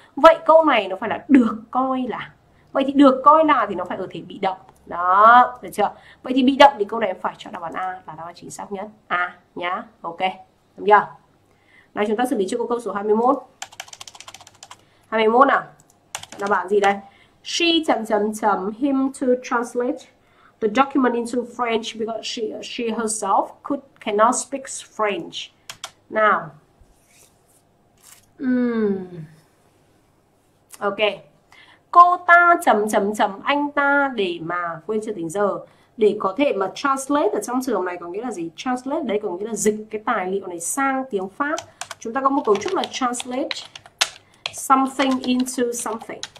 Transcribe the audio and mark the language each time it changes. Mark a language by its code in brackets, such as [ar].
[vi] Vậy câu này nó phải là được coi là. Vậy thì được coi là thì nó phải ở thể bị động. Đó, được chưa? Vậy thì bị động thì câu này em phải chọn đáp án A là đáp án chính xác nhất. A nhá. Ok. Đúng chưa? Nào chúng ta xử lý trước câu số 21. 21 nào. Chọn đáp án gì đây? [en] She [vi] chấm chấm chấm [en] him to translate the document into French because she herself cannot speak French. Now. Ok. [vi] Cô ta chấm chấm chấm anh ta để mà quên chưa tính giờ. Để có thể mà translate ở trong trường này có nghĩa là gì? Translate đấy có nghĩa là dịch cái tài liệu này sang tiếng Pháp. Chúng ta có một cấu trúc là [en] translate something into something.